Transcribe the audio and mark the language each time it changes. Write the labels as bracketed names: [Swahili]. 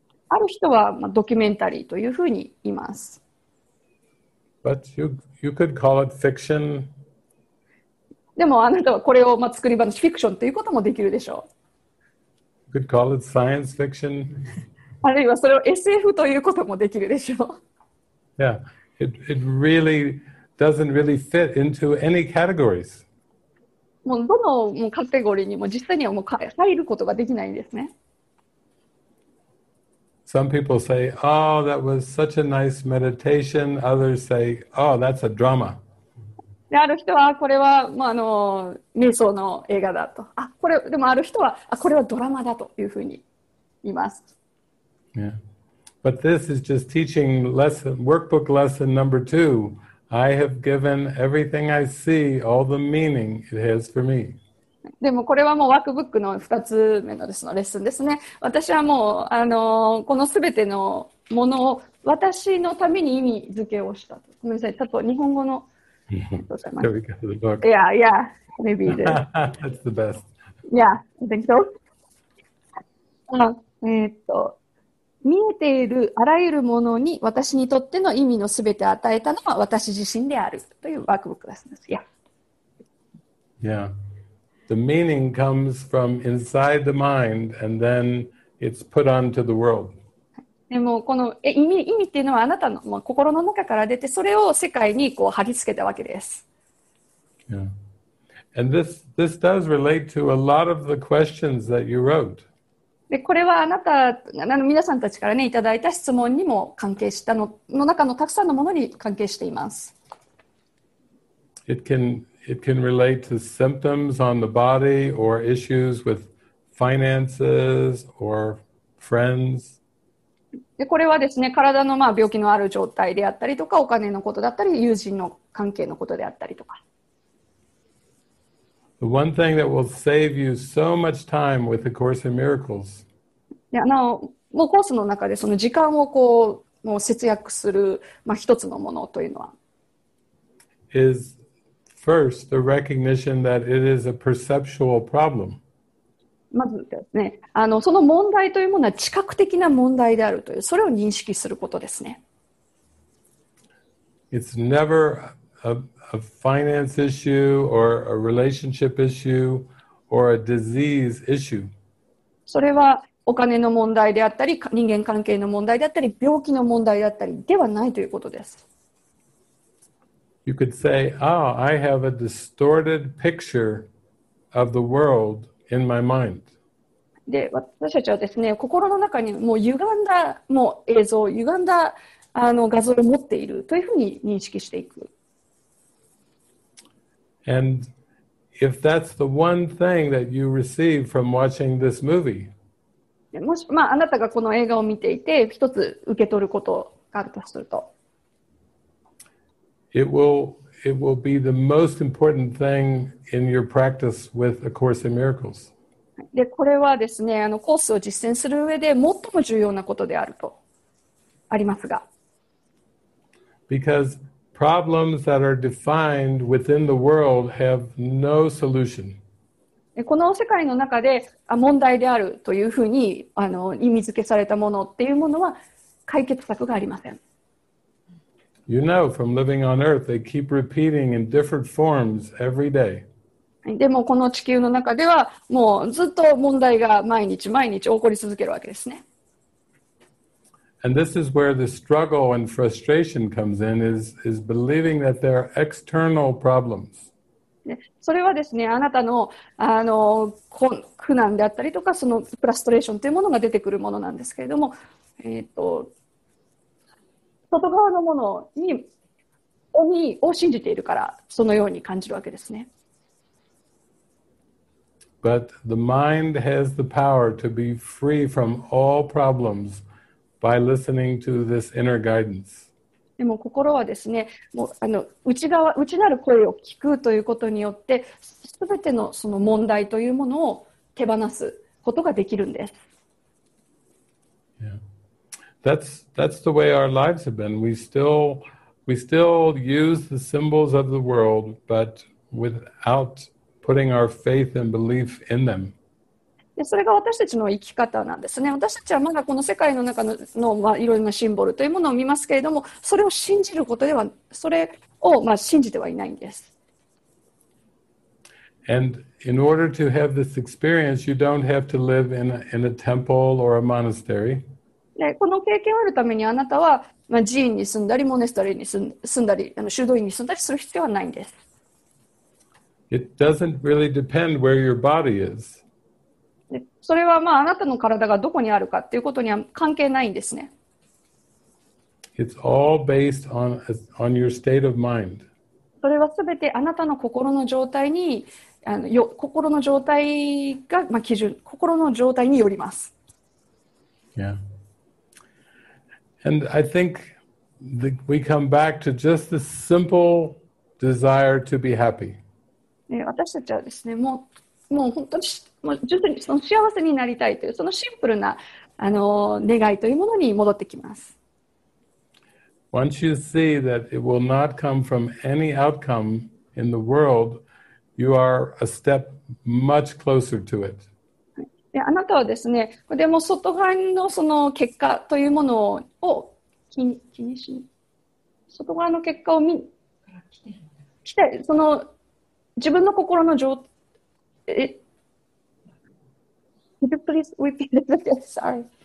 [Japanese] ある人はまあドキュメンタリーというふうに言います。 [English] But you could call it fiction. [Japanese] でもあなたはこれをまあ作り話、フィクションということもできるでしょう。 [English] You could call it science fiction. [Japanese] あるいはそれを SF ということもできるでしょう。 [English] Yeah, it really doesn't really fit into any categories. [Japanese] もうどのもうカテゴリーにも実際にはもう入ることができないんですね。 [English] Some people say, oh, that was such a nice meditation. Others say, oh, that's a drama. [Japanese] ある人は、これは、まあ、あの、瞑想の映画だと。あ、これ、でもある人は、あ、これはドラマだというふうに言います。 [English] Yeah. But this is just teaching lesson, workbook lesson number two. I have given everything I see all the meaning it has for me. [Japanese] でもこれはもうワークブックの2つ目のですのレッスンですね。私はもうあのこのすべてのものを私のために意味付けをしたと。ごめんなさい、ちょっと日本語の。 [English] Yeah, yeah, maybe this. That's the best. Yeah, I think so. [Japanese] あ、見えているあらゆるものに私にとっての意味のすべてを与えたのは私自身であるというワークブックレッスンです。 [English] Yeah. Yeah. The meaning comes from inside the mind, and then it's put onto the world. [Japanese] でもこの意味っていうのはあなたの、まあ、心の中から出て、それを世界にこう貼り付けたわけです。 [English] Yeah. And this does relate to a lot of the questions that you wrote. [Japanese] でこれはあなた皆さんたちから、ね、いただいた質問にも関係したのの中のたくさんのものに関係しています。 [English] It can relate to symptoms on the body or issues with finances or friends. [Japanese] でこれはですね、体のまあ病気のある状態であったりとか、お金のことだったり、友人の関係のことであったりとか。 [English] The one thing that will save you so much time with the Course in Miracles. [Japanese] いや、なお、もうコースの中でその時間をこう、もう節約する、まあ、一つのものというのは。 [English] Is first the recognition that it is a perceptual problem. [Japanese] まずですね、その問題というものは知覚的な問題であるという、それを認識することですね。 [English] It's never a finance issue or a relationship issue or a disease issue. [Japanese] それはお金の問題であったり、人間関係の問題であったり、病気の問題であったりではないということです。 [English] You could say, oh, I have a distorted picture of the world. In my mind. [Japanese] で私たちはですね、心の中にもう歪んだもう映像、歪んだ画像を持っているというふうに認識していく。 [English] And if that's the one thing that you receive from watching this movie, [Japanese] もし、まあ、あなたがこの映画を見ていて一つ受け取ることがあるとすると、 [English] It will be the most important thing in your practice with A Course in Miracles. [Japanese] で、これはですね、コースを実践する上で最も重要なことであるとありますが。 [English] Because problems that are defined within the world have no solution. [Japanese] で、この世界の中で問題であるというふうに意味付けされたものっていうものは解決策がありません。 [English] You know, from living on Earth, they keep repeating in different forms every day. [Japanese] でもこの地球の中ではもうずっと問題が毎日毎日起こり続けるわけですね。 [English] And this is where the struggle and frustration comes in, is believing that there are external problems. [Japanese] それはですね、あなたの苦難であったりとか、そのフラストレーションというものが出てくるものなんですけれども、外側のものにを信じているからそのように感じるわけですね。 [English] But the mind has the power to be free from all problems by listening to this inner guidance. [Japanese] でも心はですね、もう内なる声を聞くということによって、すべてのその問題というものを手放すことができるんです。 [English] That's the way our lives have been. We still use the symbols of the world, but without putting our faith and belief in them. [Japanese] それが私たちの生き方なんですね。私たちはまだこの世界の中のまあいろいろなシンボルというものを見ますけれども、それを信じることでは、それをまあ信じてはいないんです。 [English] And in order to have this experience, you don't have to live in a temple or a monastery. [Japanese] でこの経験をあるためにあなたは、まあ、寺院に住んだりモネスタリーに住んだり修道院に住んだりする必要はないんです。 [English] It doesn't really depend where your body is. [Japanese] でそれは、まあ、あなたの体がどこにあるかということには関係ないんですね。 [English] It's all based on your state of mind. [Japanese] それはすべてあなたの心の状態に心の状態が、まあ、基準、心の状態によります。 [English] Yeah. And I think we come back to just the simple desire to be happy. [Japanese] 私たちはですね、もう本当に、もう徐々にその幸せになりたいという、そのシンプルな願いというものに戻ってきます。 [English] Once you see that it will not come from any outcome in the world, you are a step much closer to it. [Japanese] あなたはですね、でも外側のその結果というものを気にしない、外側の結果を見来て、その自分の心の状態、 [English] Could you please repeat that? Sorry.